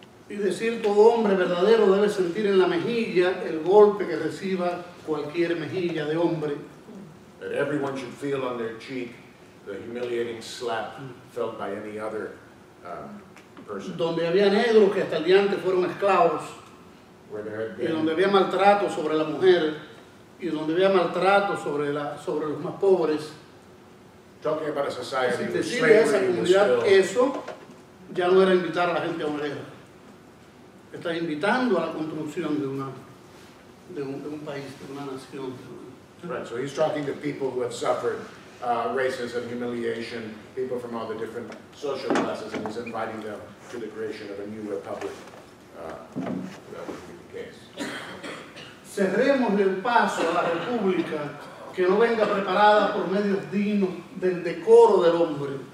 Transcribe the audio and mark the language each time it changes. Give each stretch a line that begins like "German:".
Spanish: Y decir todo hombre verdadero debe sentir en la mejilla el golpe que reciba cualquier mejilla de hombre.
English: That everyone should feel on their cheek the humiliating slap felt by any other person.
Spanish: Donde había negros que hasta el día antes fueron esclavos.
English: Where there had been,
Spanish: y donde había maltrato sobre la mujer. Y donde había maltrato sobre, la, sobre los más pobres.
English: Talking about a society
Spanish: si te sirve esa comunidad, eso ya no era invitar a la gente a una guerra. Está invitando a la construcción de una de un país, de una nación.
English: Right, so he's talking to people who have suffered racism, humiliation, people from all the different social classes, and he's inviting them to the creation of a new republic. That would be the case.
Spanish: Cerremos el paso a la república que no venga preparada por medios dignos del decoro del hombre.